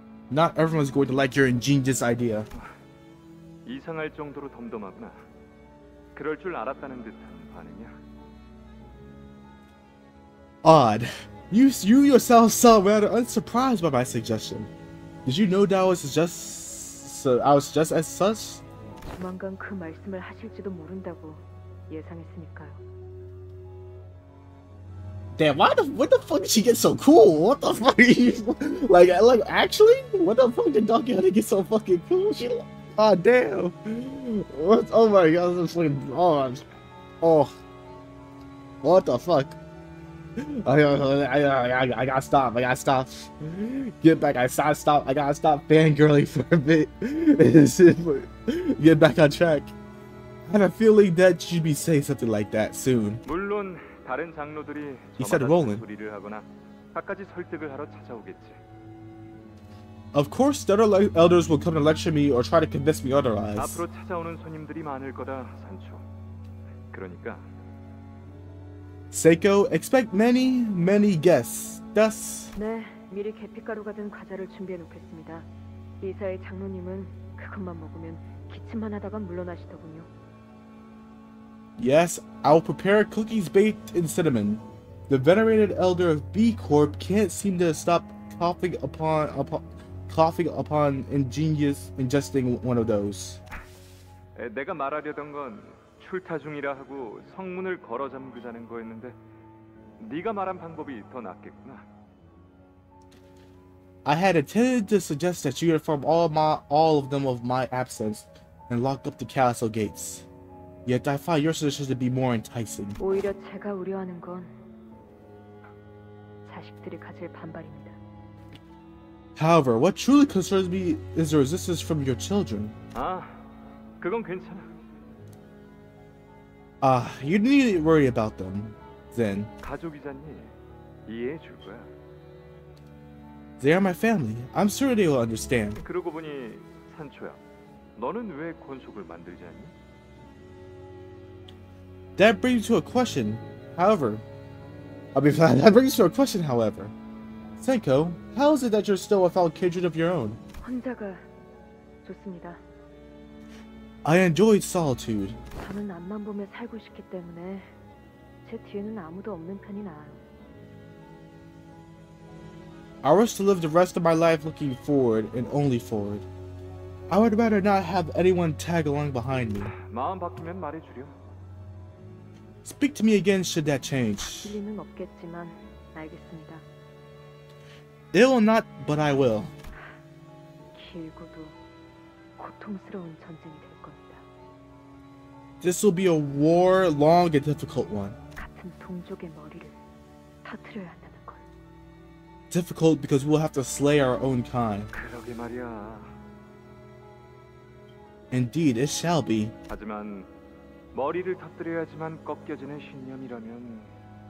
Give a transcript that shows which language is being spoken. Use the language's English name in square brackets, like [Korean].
[English] Not everyone's going to like your ingenious idea. [Korean] 이상할 정도로 덤덤하구나. 그럴 줄 알았다는 듯한 반응이야. [English] Odd. You yourself sound rather unsurprised by my suggestion. Did you know that I was just as such? [Korean] 조만간 그 말씀을 하실지도 모른다고 예상했으니까요. [English] Damn, what the fuck did she get so cool? What the fuck are you, like actually? What the fuck did Don Quixote get so fucking cool? She, oh damn. What, oh my god, this is fucking, oh, I'm, oh. What the fuck? I gotta stop. Get back, I gotta stop fangirling for a bit. Get back on track. I had a feeling that she'd be saying something like that soon. He said, Roland. Of course, the other elders will come to lecture me or try to convince me otherwise. Seiko, expect many, many guests. Thus. [Korean] 네, 미리 계피가루 같은 과자를 준비해 놓겠습니다. 이사의 장로님은 그것만 먹으면 기침만 하다가 물러나시더군요. [English] Yes, I will prepare cookies baked in cinnamon. The venerated elder of B Corp can't seem to stop coughing upon ingenious ingesting one of those. [Korean] 내가 말하려던 건 출타 중이라 하고 성문을 걸어 잠그자는 거였는데 네가 말한 방법이 더 낫겠구나. [English] I had intended to suggest that you inform all of them of my absence and lock up the castle gates. Yet I find your suggestion to be more enticing. [Korean] 오히려 제가 우려하는 건 자식들이 가질 반발입니다. [English] However, what truly concerns me is the resistance from your children. [Korean] 아, 그건 괜찮아. [English] You need to worry about them, then. [Korean] 가족이잖니, 이해해 줄 거야. [English] They are my family. I'm sure they will understand. [Korean] 그러고 보니 산초야, 너는 왜 권속을 만들지 않니? [English] That brings to a question, however. That brings to a question, however. Senko, how is it that you're still a fellow kindred of your own? [Korean] 혼자가 좋습니다. [English] I enjoyed solitude. [Korean] 저는 앞만 보며 살고 싶기 때문에 제 뒤에는 아무도 없는 편이 나아요. [English] I wish to live the rest of my life looking forward and only forward. I would rather not have anyone tag along behind me. [Korean] 마음 바뀌면 말해주렴. [English] Speak to me again should that change. [Korean] 바뀔리는 없겠지만 알겠습니다. [English] It will not, but I will. [Korean] 길고도 고통스러운 전쟁이 될 겁니다. [English] This will be a war, long and difficult one. [Korean] 같은 동족의 머리를 터뜨려야 한다는 걸. [English] Difficult because we'll have to slay our own kind. [Korean] 그러게 말이야. [English] Indeed, it shall be. [Korean] 하지만 머리를 터뜨려야지만 꺾여지는 신념이라면.